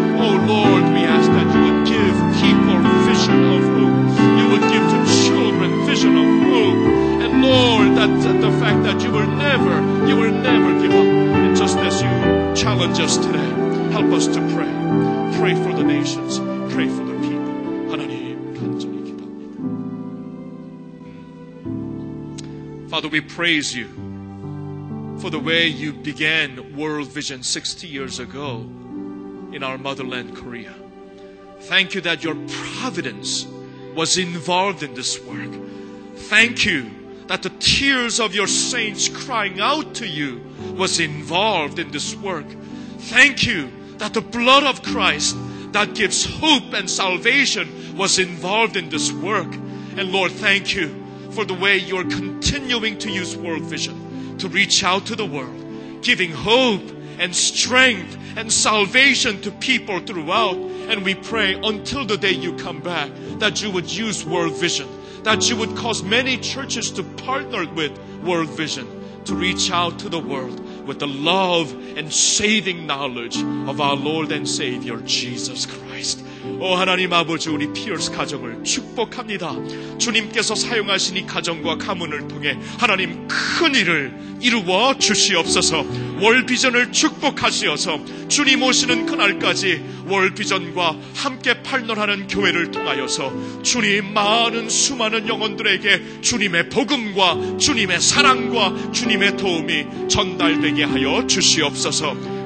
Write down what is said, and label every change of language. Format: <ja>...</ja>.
<en>Oh, Lord, we ask that you would give people vision of hope. You would give to children vision of hope. And Lord, that the fact that you will never give up. And just as you challenge us today, help us to pray. Pray for the nations. Pray for the people.</en> <ko>하나님, 간절히 기도합니다.</ko> <en>Father, we praise you for the way you began World Vision 60 years ago in our motherland, Korea. Thank you that your providence was involved in this work. Thank you that the tears of your saints crying out to you was involved in this work. Thank you that the blood of Christ that gives hope and salvation was involved in this work. And Lord, thank you for the way you're continuing to use World Vision to reach out to the world, giving hope and strength and salvation to people throughout. And we pray until the day you come back that you would use World Vision, that you would cause many churches to partner with World Vision to reach out to the world with the love and saving knowledge of our Lord and Savior Jesus Christ.</en> <ko>오 하나님 아버지, 우리 피어스 가정을 축복합니다. 주님께서 사용하신 이 가정과 가문을 통해 하나님 큰 일을 이루어 주시옵소서. 월비전을 축복하시어서 주님 오시는 그날까지 월비전과 함께 팔로하는 교회를 통하여서 주님 많은 수많은 영혼들에게 주님의 복음과 주님의 사랑과 주님의 도움이 전달되게 하여 주시옵소서.</ko>